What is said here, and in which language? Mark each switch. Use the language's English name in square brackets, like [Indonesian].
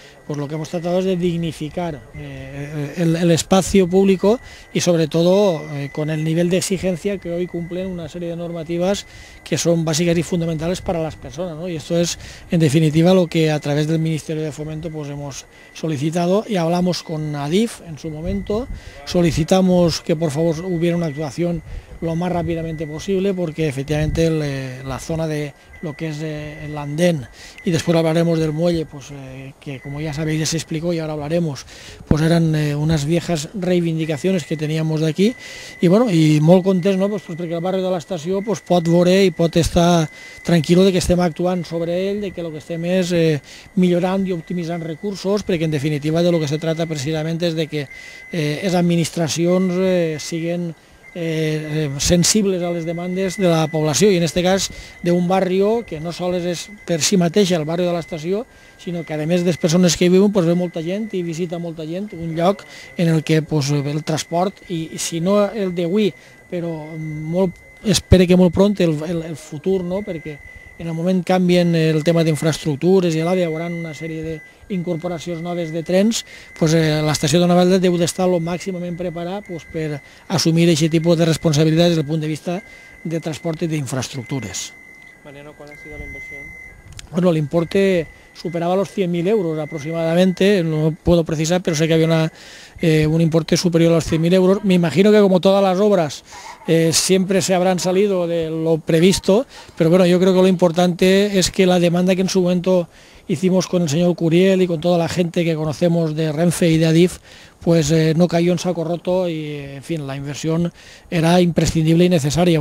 [Spanish] pues lo que hemos tratado es de dignificar el espacio público y sobre todo con el nivel de exigencia que hoy cumplen una serie de normativas que son básicas y fundamentales para las personas, ¿no? Y esto es en definitiva lo que a través del Ministerio de Fomento pues hemos solicitado y hablamos con Adif en su momento, solicitamos que por favor hubiera una actuación lo más rápidamente posible, porque efectivamente la zona de lo que es el andén, y después hablaremos del muelle, pues que como ya sabéis ya se explicó y ahora hablaremos, pues eran unas viejas reivindicaciones que teníamos de aquí, y bueno, y [Catalan] molt contents, [Spanish] ¿no? Pues porque el barrio de la estación pues [Catalan] pot veure [Spanish] y pot estar tranquilo de que [Catalan] estem actuant sobre ell, [Spanish] de que lo que [Catalan] estem es millorant [Spanish] y optimizant recursos, porque en definitiva de lo que se trata precisamente es de que [Catalan] es administracions [Spanish] siguen [Catalan] sensibles a les demandes de la població i en este cas d'un barri que no sols és per si mateix el barri de l'estació, sinó que a més de les persones que hi viuen, pues ve molta gent i visita molta gent, un lloc en el que pues el transport i si no el d'avui, però molt espere que molt pront el futur, no, perquè en el moment canvien el tema d'infraestructures i l'AVE, hi haurà una sèrie d'incorporacions noves de trens, pues, l'estació de Novelda deu d'estar lo màximament preparada pues, per assumir aquest tipus de responsabilitats des del punt de vista de transport i d'infraestructures. [Spanish] Mariano, quan ha sido la inversión? [Catalan] Bueno, l'import superava los 100.000 euros aproximadament, [Spanish] no puedo precisar, [Catalan] però sé que havia [Spanish] un importe superior a los [Catalan] 100.000 euros. [Spanish] Me imagino que como todas las obras siempre se habrán salido de lo previsto, pero bueno, yo creo que lo importante es que la demanda que en su momento hicimos con el señor Curiel y con toda la gente que conocemos de Renfe y de Adif, pues no cayó en saco roto y, en fin, la inversión era imprescindible y necesaria.